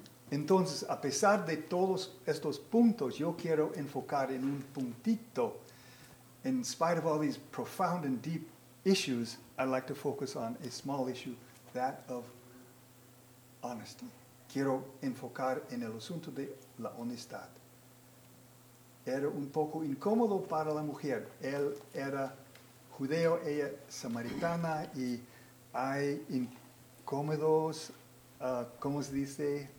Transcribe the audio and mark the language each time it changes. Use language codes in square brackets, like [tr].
[es] Entonces, a pesar de todos estos puntos, yo quiero enfocar en un puntito. [en] In spite of all these profound and deep issues, I'd like to focus on a small issue, that of honesty. [es] Quiero enfocar en el asunto de la honestad. Era un poco incómodo para la mujer. Él era judeo, ella samaritana, y hay incómodos, ¿cómo se dice?